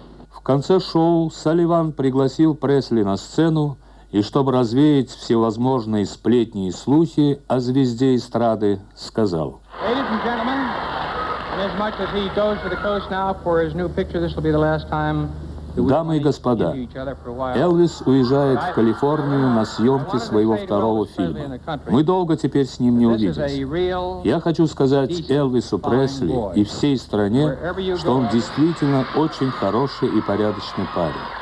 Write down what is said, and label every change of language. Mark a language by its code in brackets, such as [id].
[ru] В конце шоу Салливан пригласил Пресли на сцену, и чтобы развеять всевозможные сплетни и слухи о звезде эстрады, сказал: [en] Ladies and gentlemen, and as much as he goes to the coast now for his new picture, this will be the last time. [ru] Дамы и господа, Элвис уезжает в Калифорнию на съемки своего второго фильма. Мы долго теперь с ним не увидимся. Я хочу сказать Элвису Пресли и всей стране, что он действительно очень хороший и порядочный парень.